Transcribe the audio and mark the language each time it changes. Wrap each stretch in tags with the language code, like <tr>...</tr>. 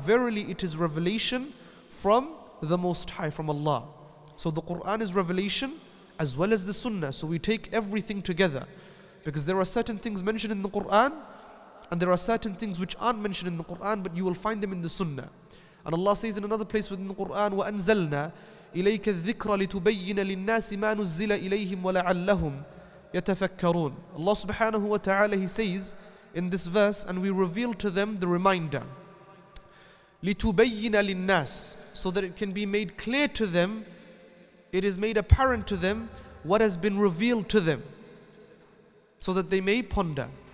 <en>Verily it is revelation from the Most High, from Allah. So the Quran is revelation as well as the Sunnah, so we take everything together. Because there are certain things mentioned in the Quran, and there are certain things which aren't mentioned in the Quran, but you will find them in the Sunnah. And Allah says in another place within the Quran,</en> <ar>وَأَنْزَلْنَا إِلَيْكَ الذِّكْرَ لِتُبَيِّنَ لِلنَّاسِ مَا نُزِّلَ إِلَيْهِمْ وَلَعَلَّهُمْ يَتَفَكَّرُونَ.</ar> <en>Allah subhanahu wa ta'ala, he says in this verse, and we reveal to them the reminder,</en> <ar>لِتُبَيِّنَ لِلنَّاسِ,</ar> <en>so that it can be made clear to them, it is made apparent to them what has been revealed to them, so that they may ponder.</en>